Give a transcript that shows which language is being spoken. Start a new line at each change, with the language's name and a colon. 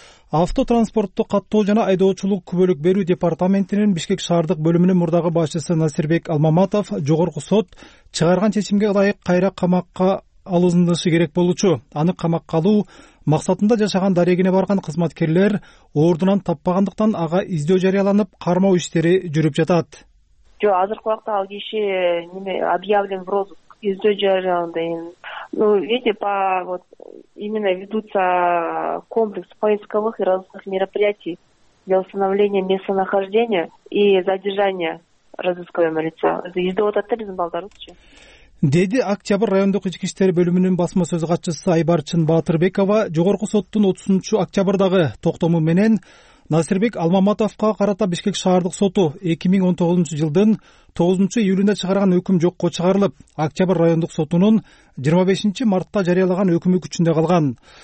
Kyrgyz: Автотранспортту каттоо жана айдоочулук күбөлүк берүү департаментинин Бишкек шаардык бөлүмүнүн мурдагы башчысы Насирбек Алмаматов жогорку сот чыгарган чечимге ылайык кайра камакка алынышы керек болучу. Аны камакка алуу максатында жашаган дарегине барган кызматкерлер ордунан таппагандыктан ага издөө жарыяланып, кармоо иштери жүрүп жатат. Жок, азыркы убакта ал киши эмне
Russian: объявлен в розыск,
Kyrgyz: издөө жарыяланды.
Russian: Ну, видите, по вот именно ведутся комплекс поисковых и розыскных мероприятий для установления местонахождения и задержания розыскуемого лица.
Kyrgyz: Издөө татаризм балдарычы. Деди Октябрь райондук ички иштер бөлүмүнүн басма сөз катчысы Айбар Чынбатырбекова жогорку соттун 30-октябрдагы токтому менен Насирбек Алмаматовго карата Бишкек шаардык соту 2019-жылдын 9-июлунда чыгарган өкүм жокко чыгарылып, Октябрь райондук сотунун 25-мартта жарыялаган өкүмү күчүндө калган.